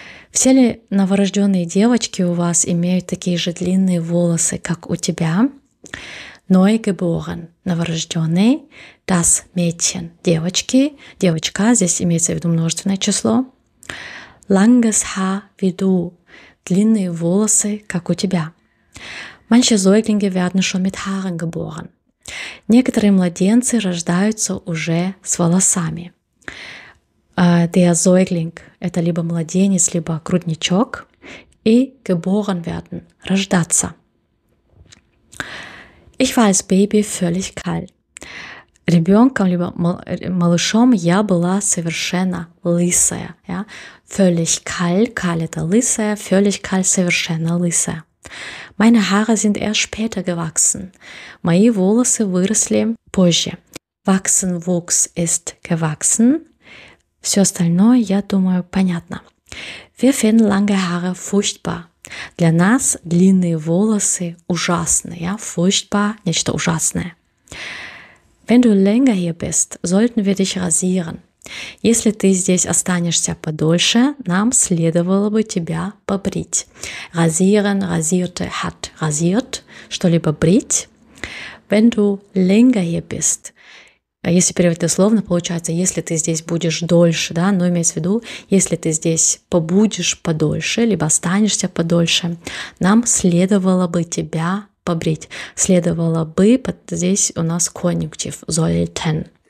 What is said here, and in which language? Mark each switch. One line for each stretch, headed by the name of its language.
Russian: Все ли новорожденные девочки у вас имеют такие же длинные волосы, как у тебя? Neugeboren, новорожденный, das Mädchen, девочки, девочка, здесь имеется в виду множественное число. Langes Haar wie du, длинные волосы, как у тебя.
German: Manche Säuglinge werden schon mit Haaren geboren.
Russian: Некоторые младенцы рождаются уже с волосами. Der Säugling – это либо младенец, либо грудничок. И geboren werden – рождаться.
German: Ich war als Baby völlig kahl.
Russian: Ребенком, либо малышом, я была совершенно лысая.
German: Ja?
Russian: Völlig kahl – kahl – это лысая. Völlig kahl – совершенно лысая.
German: Meine Haare sind erst später gewachsen.
Russian: Мои волосы выросли позже.
German: Wachsen, wuchs, ist gewachsen.
Russian: Все остальное, я думаю, понятно.
German: Wir finden lange Haare furchtbar.
Russian: Для нас длинные волосы ужасны.
German: Ja?
Russian: Furchtbar, нечто ужасное.
German: Wenn du länger hier bist, sollten wir dich rasieren.
Russian: Если ты здесь останешься подольше, нам следовало бы тебя побрить.
German: Rasieren, rasierte, hat rasiert, что-либо брить. Wenn du länger hier bist,
Russian: если переводить дословно, получается, если ты здесь будешь дольше, да, но имеется в виду, если ты здесь побудешь подольше, либо останешься подольше, нам следовало бы тебя побрить. Следовало бы, здесь у нас конъюнктив, sollten.